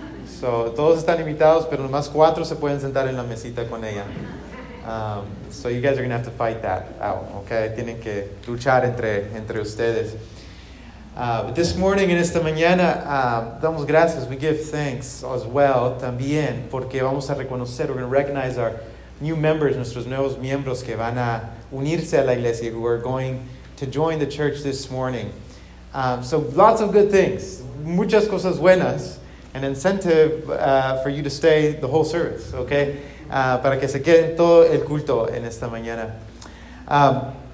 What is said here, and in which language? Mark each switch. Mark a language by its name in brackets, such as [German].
[Spanish] So, todos están invitados, pero nomás cuatro se pueden sentar en la mesita con ella. [English] So, you guys are going to have to fight that out, okay? [Spanish] Tienen que luchar entre ustedes. [English] But this morning, [Spanish] en esta mañana, damos gracias. [English] We give thanks as well, [Spanish] también, porque vamos a reconocer, [English] we're going to recognize our new members, [Spanish] nuestros nuevos miembros que van a unirse a la iglesia, [English] who are going to join the church this morning. So, lots of good things. [Spanish] Muchas cosas buenas. [English] An incentive for you to stay the whole service, okay? [Spanish] Para que se queden todo el culto en esta mañana.